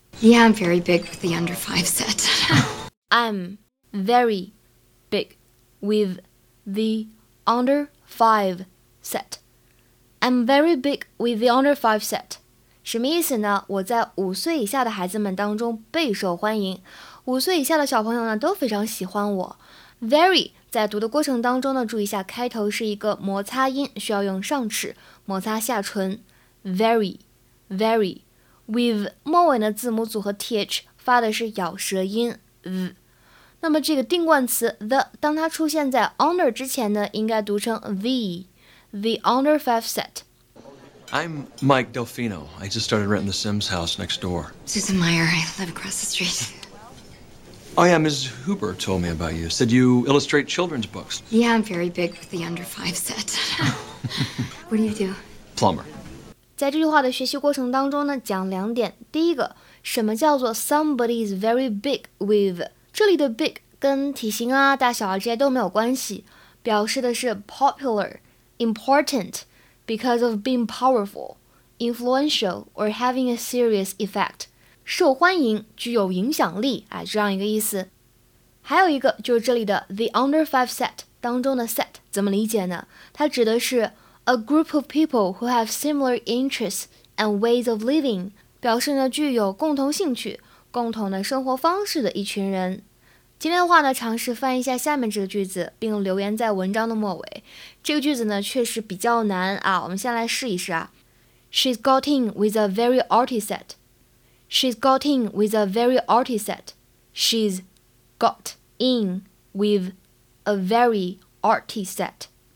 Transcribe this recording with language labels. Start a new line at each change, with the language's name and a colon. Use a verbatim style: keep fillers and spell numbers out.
English: Yeah, I'm very big with the under five set. I'm very big with the under five set. I'm very big with the under five set.
Chinese: 什么意思呢？我在五岁以下的孩子们当中备受欢迎，五岁以下的小朋友呢都非常喜欢我。 Very 在读的过程当中呢，注意一下开头是一个摩擦音，需要用上齿摩擦下唇。 Very, very with 末尾的字母组合 th 发的是咬舌音。嗯、那么这个定冠词 the 当它出现在 under 之前呢，应该读成 the。
English: The under five set. I'm Mike Delfino. I just started renting the Sims house next door. Susan Meyer. I live across the street. Oh, yeah, Missus Huber told me about you. Said you illustrate children's books. Yeah, I'm very big with the under five set. What do you do? Plumber.
Chinese: 在这句话的学习过程当中呢，讲两点。第一个，什么叫做 somebody is very big with？这里的 big 跟体型啊、大小啊这些都没有关系，表示的是 popular。
English: Important because of being powerful, influential, or having a serious effect.
Chinese: 受欢迎，具有影响力，哎，这样一个意思。还有一个就是这里的 the under five set 当中的 set 怎么理解呢？它指的是
English: a group of people who have similar interests and ways of living，
Chinese: 表示呢具有共同兴趣、共同的生活方式的一群人。今天的话呢，尝试翻译一下下面这个句子，并留言在文章的末尾。这个句子呢，确实比较难啊，我们先来试一试啊。
English: She's got in with a very arty set. She's got in with a very arty set. She's got in with a very arty set.